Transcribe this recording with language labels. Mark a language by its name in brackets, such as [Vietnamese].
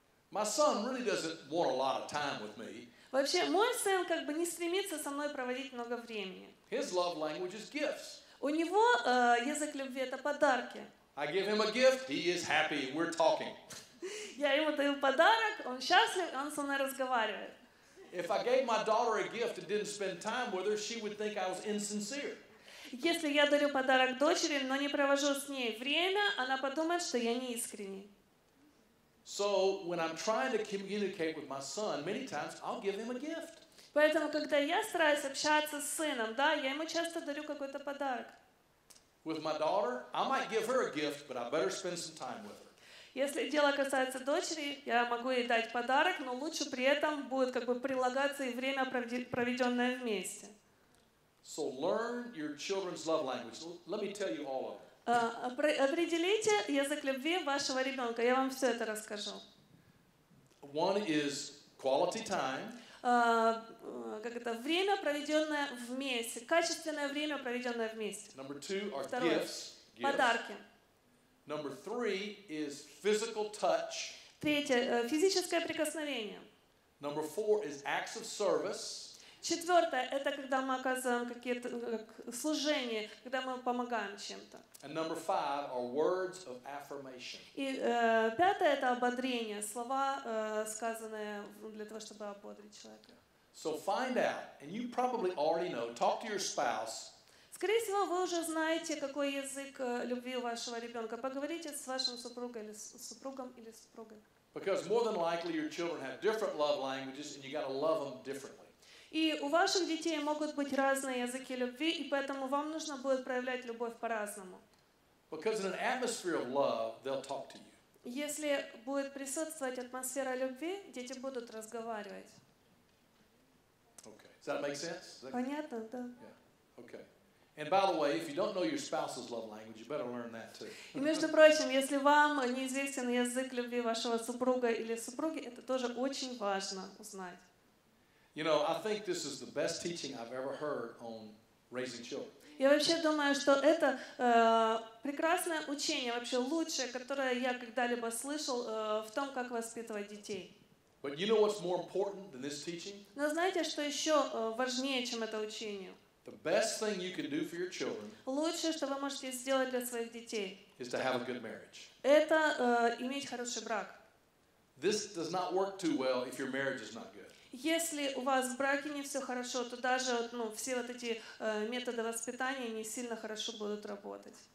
[English] My son really doesn't want a lot of time with me. [Russian] Вообще, мой сын как бы не стремится со мной проводить много времени. [English] His love language is gifts. [Russian] У него язык любви — это подарки. [English] I give him a gift, he is happy, we're talking. [Russian] Я ему даю подарок, он счастлив, он со мной разговаривает. [English] If I gave my daughter a gift and didn't spend time with her, she would think I was insincere. [Russian] Если я дарю подарок дочери, но не провожу с ней время, она подумает, что я неискренний. [English] So when I'm trying to communicate with my son, many times I'll give him a gift. [Russian] Поэтому, когда я стараюсь общаться с сыном, да, я ему часто дарю какой-то подарок. [English] With my daughter, I might give her a gift, but I better spend some time with her. [Russian] Если дело касается дочери, я могу ей дать подарок, но лучше при этом будет как бы прилагаться и время, проведенное вместе. [English] So learn your children's love language. Let me tell you all of it. [Russian] Определите язык любви вашего ребенка. Я вам все это расскажу. [English] One is quality time. [Russian] Как это, время, проведенное вместе. Качественное время, проведенное вместе. [English] Number two are gifts. [Russian] Подарки. [English] Number three is physical touch. [Russian] Третье, физическое прикосновение. [English] Number four is acts of service. [Russian] Четвертое, это когда мы оказываем какие-то служения, когда мы помогаем чем-то. [English] And number five are words of affirmation. [Russian] И пятое, это ободрение, слова, сказанные для того, чтобы ободрить человека. [English] So find out, and you probably already know, talk to your spouse. [Russian] Скорее всего, вы уже знаете, какой язык любви у вашего ребенка. Поговорите с вашим супругом или супругом или супругой. [English] Because more than likely your children have different love languages, and you got to love them differently. [Russian] И у ваших детей могут быть разные языки любви, и поэтому вам нужно будет проявлять любовь по-разному. [English] Because in an atmosphere of love, they'll talk to you. [Russian] Если будет присутствовать атмосфера любви, дети будут разговаривать. [English] Okay. Does that make sense? That... [Russian] Понятно, да. [English] Yeah. Okay. And by the way, if you don't know your spouse's love language, you better learn that too. [Russian] И между прочим, если вам неизвестен язык любви вашего супруга или супруги, это тоже очень важно узнать. [English] You know, I think this is the best teaching I've ever heard on raising children. [Russian] Я вообще думаю, что это прекрасное учение, вообще лучшее, которое я когда-либо слышал в том, как воспитывать детей. [English] But you know what's more important than this teaching? [Russian] Но знаете, что еще важнее, чем это учение? [English] The best thing you can do for your children. [Russian] Лучшее, что вы можете сделать для своих детей. [English] Is to have a good marriage. [Russian] Это иметь хороший брак. [English] This does not work too well if your marriage is not good. [Russian] Если у вас в браке не все хорошо, то даже ну, все вот эти методы воспитания не сильно хорошо будут работать.